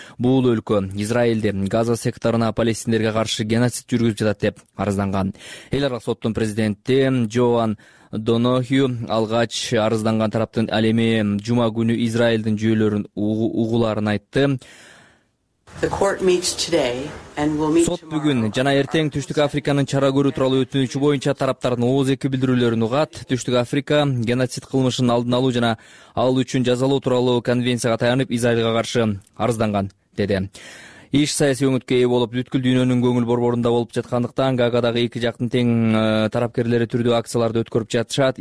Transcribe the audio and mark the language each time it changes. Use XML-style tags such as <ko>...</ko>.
<ky>Бул өлкө Израилди Газа секторуна палестиндерге каршы геноцид жүргүзүп жатат деп арызданган. Эл аралык соттун президенти Джоан Донохью алгач арызданган тараптын ал эми жума күнү Израилдин жүйөлөрүн угуларын айтты.</ky> <en>The court meets today and will meet tomorrow.</en> <ky>Сот бүгүн жана эртең Түштүк Африканын чара көрүү тууралуу өтүнүчү боюнча тараптардын 12 билдирүүлөрүн угат. Түштүк Африка геноцид кылмышынын алдын алуу жана ал үчүн жазалоо тууралуу конвенцияга таянып Израилге каршы арызданган деди. Иш саясий өңүткө ээ болуп, бүткүл дүйнөнүн көңүл борборунда болуп жаткандыктан Гаагадагы эки жактын тең тарапкерлери түрдүү акцияларды өткөрүп жатышат.</ky>